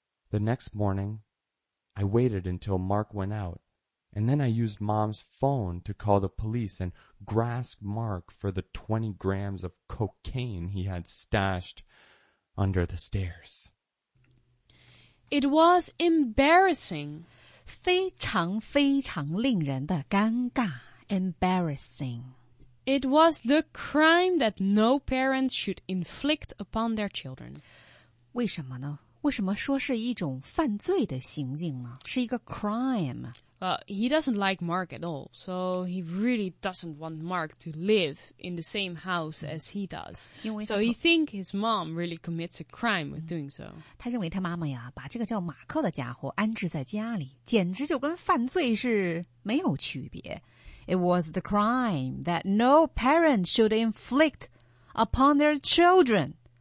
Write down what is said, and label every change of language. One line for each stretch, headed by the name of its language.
English: The next morning, I waited until Mark went out, and then I used Mom's phone to call the police and grasp Mark for the 20 grams of cocaine he had stashed under the stairs. It was embarrassing.
Chinese: 非常非常令人的尴尬。
English: Embarrassing. It was the crime that no parent should inflict upon their children.
Chinese: 为什么呢？为什么说是一种犯罪的行径呢？是一个 crime。
English: He doesn't like Mark at all, so he really doesn't want Mark to live in the same house as he does. So he thinks his mom really commits a crime with doing so.
Chinese: 他认为他妈妈呀，把这个叫马克的家伙安置在家里，简直就跟犯罪是没有区别。
English: It was the crime that no parent should inflict upon their children.